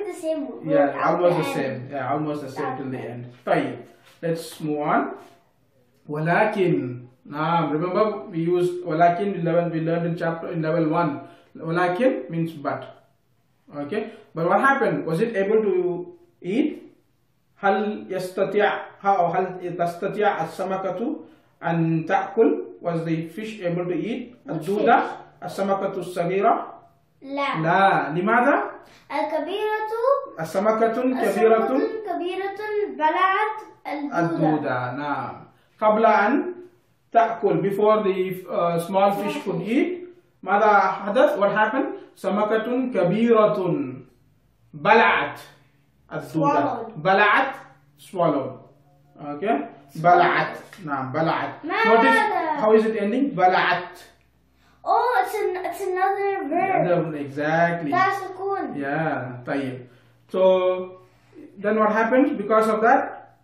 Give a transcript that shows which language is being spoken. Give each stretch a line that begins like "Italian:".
English: The same word. Yeah, almost the same. Yeah, almost the same till the end. طيب. Let's move on. ولكن. Now, remember we used ولكن in level, we learned in chapter in level 1. ولكن means but. Okay. But what happened? Was it able to eat?
Arabic: هل يستطيع أو هل تستطيع السمكة أن تأكل?
English: Was the fish able to eat?
Arabic: الدودة السمكة الصغيرة. لا. لا لماذا؟ الكبيرة السمكة كبيرة كبيرة بلعت الدودة. نعم قبل أن تأكل
English: before the small fish could eat
Arabic: ماذا حدث؟
English: What happened؟
Arabic: سمكة كبيرة بلعت الدودة. بلعت
English: swallowed. Okay.
Arabic: بلعت. نعم بلعت. ماذا؟
English: How is it ending؟ بلعت. Oh, it's another verb. Exactly. تاسكون. Yeah, طيب. So, then what happened because of that?